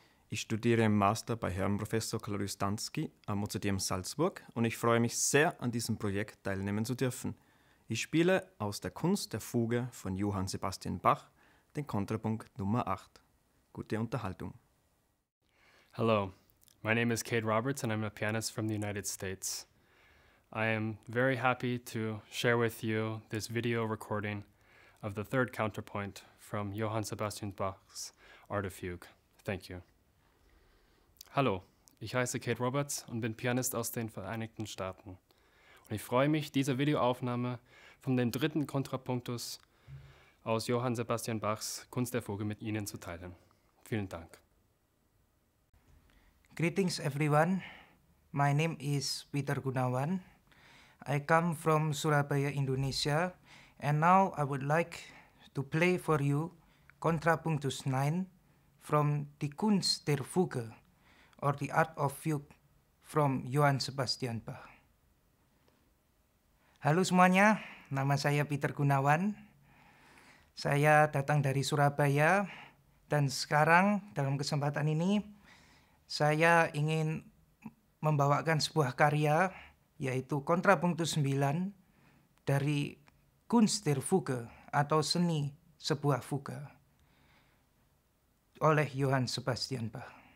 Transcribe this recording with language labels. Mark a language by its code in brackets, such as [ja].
[de] Ich studiere im Master bei Herrn Professor Claudius Tanski am Mozarteum Salzburg und ich freue mich sehr, an diesem Projekt teilnehmen zu dürfen. Ich spiele aus der Kunst der Fuge von Johann Sebastian Bach den Kontrapunkt Nummer 8. Gute Unterhaltung. [en] Hello, my name is Cade Roberts and I'm a pianist from the United States. I am very happy to share with you this video recording of the third counterpoint from Johann Sebastian Bach's Art of Fugue. Thank you. [de] Hallo, ich heiße Kate Roberts und bin Pianist aus den Vereinigten Staaten. Und ich freue mich, diese Videoaufnahme von dem dritten Kontrapunktus aus Johann Sebastian Bachs Kunst der Fuge mit Ihnen zu teilen. Vielen Dank. [en] Greetings everyone. My name is Peter Gunawan. I come from Surabaya, Indonesia, and now I would like to play for you Contrapunctus 9 from the Kunst der Fuge, or the Art of Fugue from Johann Sebastian Bach. [id] Halo semuanya, nama saya Peter Gunawan. Saya datang dari Surabaya, dan sekarang dalam kesempatan ini, saya ingin membawakan sebuah karya yaitu Contrapunctus 9 dari Kunst der Fuge atau seni sebuah fuga oleh Johann Sebastian Bach.